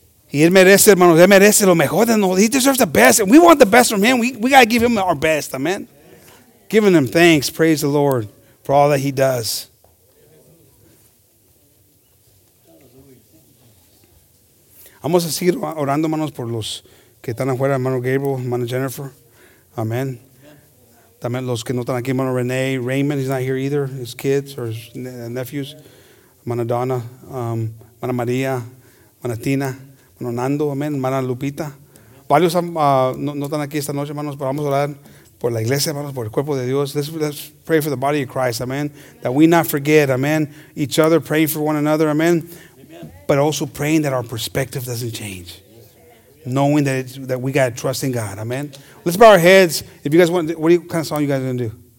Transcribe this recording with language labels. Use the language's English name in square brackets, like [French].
[Spanish] Y él merece, hermanos, él merece lo mejor de nosotros. [English] He deserves the best. And we want the best from him. We got to give him our best, amen. giving them thanks. Praise the Lord for all that he does. [Spanish] Vamos a seguir orando, hermanos, por los que están afuera, hermano Gabriel, hermano Jennifer. [English] Amen. [Spanish] También los que no están aquí, [English] hermano Rene, Raymond, he's not here either, his kids or his nephews. [Spanish] Hermana Donna, hermana María, hermana Tina, hermano Nando, amén, hermana Lupita. Varios no están aquí esta noche, hermanos, pero vamos a orar por la iglesia, hermanos, por el cuerpo de Dios. [English] Let's pray for the body of Christ, amen. That we not forget, amen. Each other, praying for one another, amen. But also praying that our perspective doesn't change. Knowing that we got to trust in God. Amen. Let's bow our heads. If you guys want, what kind of song you guys going to do?